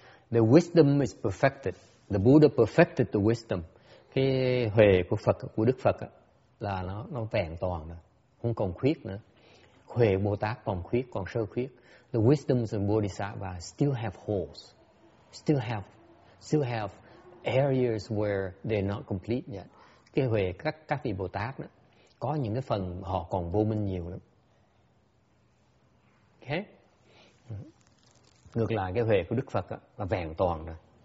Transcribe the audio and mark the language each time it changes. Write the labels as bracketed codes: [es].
[en] The wisdom is perfected. The Buddha perfected the wisdom. [vi] Cái huệ của Phật, của Đức Phật là nó vẹn toàn rồi, không còn khuyết nữa. Huệ Bồ Tát còn khuyết, còn sơ khuyết. [en] The wisdoms of Bodhisattva still have holes, still have areas where they're not complete yet. [vi] Cái huệ các vị Bồ Tát đó, có những cái phần họ còn vô minh nhiều lắm. Okay. Ngược lại cái huệ của Đức Phật đó, là vẹn toàn rồi.